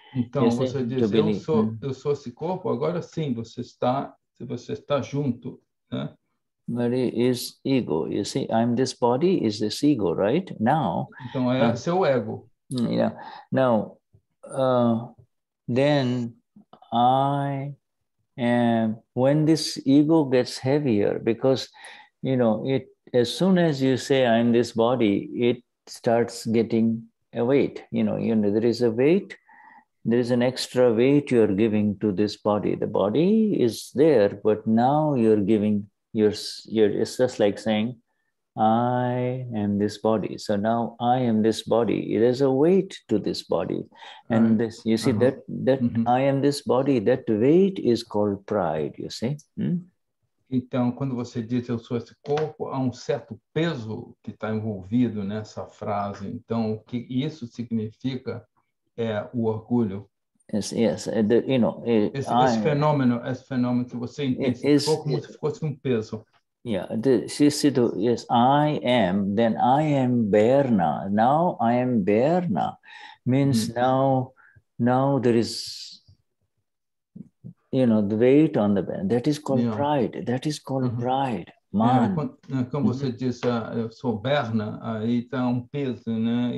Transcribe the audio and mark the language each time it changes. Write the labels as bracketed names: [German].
[Portuguese] Então você diz, eu sou esse corpo, agora sim, você está junto, né? [English] But it is ego. You see, I'm this body, is this ego, right? Now. [Portuguese] Então é seu ego. [English] Yeah. Now, then I am, when this ego gets heavier, because, you know, it, as soon as you say I'm this body, it starts getting a weight. You know, there is a weight. There is an extra weight you're giving to this body. The body is there, but now you're giving. You're it's just like saying, I am this body. So now I am this body. It is a weight to this body. And this, you see, uh-huh, that uh-huh, I am this body, that weight is called pride, you see? [Portuguese] Então, quando você diz eu sou esse corpo, há um certo peso que está envolvido nessa frase. Então, o que isso significa é o orgulho. [English] Yes, you know, yes, I am, then I am Berna. Now I am Berna means now there is, you know, the weight on the bed. That is called pride. That is called pride. Man. [Portuguese] Quando você diz eu sou Berna, aí tá peso, né?